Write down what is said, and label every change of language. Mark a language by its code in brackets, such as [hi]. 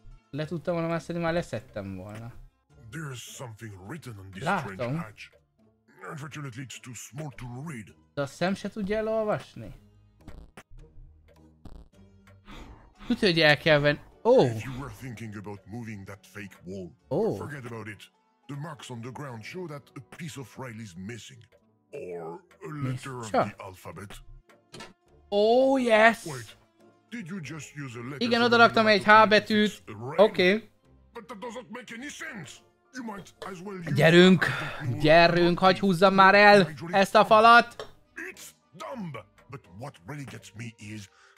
[hu] Le tudtam volna már szedni, már leszedtem volna. There's something written on this strange hatch. [en] Unfortunately, it's too small to read. De a szem se tudja elolvasni? [hu] Tudja, hogy el kell venni. [en] Oh. If you were thinking about moving that fake wall, forget about it. The marks on the ground show that a piece of rail is missing. Or a letter of the alphabet. Oh, yes. Wait, did you just use a letter? [hu] Igen, oda raktam egy H betűt. [en] Okay. But that doesn't make any sense. You might as well use... [hu] Gyerünk! Gyerünk, hagyj húzzam már el ezt a falat! [en] It's dumb, but what really gets me is...